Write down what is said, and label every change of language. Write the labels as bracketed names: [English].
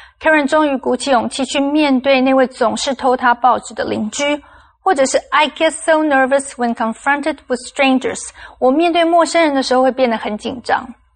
[Chinese] Karen 终于鼓起勇气去面对那位总是偷她报纸的邻居。或者是, [English] I get so nervous when confronted with strangers. [Chinese] 我面对陌生人的时候会变得很紧张。